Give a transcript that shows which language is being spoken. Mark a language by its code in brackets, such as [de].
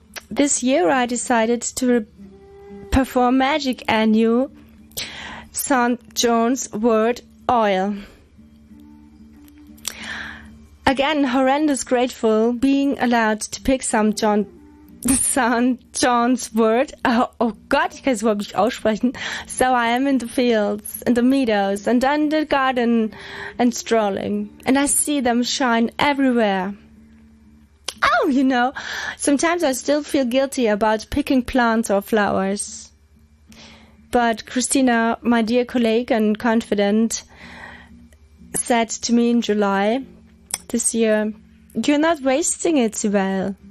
[en] This year I decided to perform magic and you, St. John's wort oil. Again, horrendous grateful being allowed to pick some St. John's word. [de] Oh Gott, ich kann es überhaupt nicht aussprechen. [en] So I am in the fields, in the meadows, and in the garden, and strolling. And I see them shine everywhere. Oh, you know, sometimes I still feel guilty about picking plants or flowers. But Christina, my dear colleague and confidant, said to me in July this year, you're not wasting it, Sibel.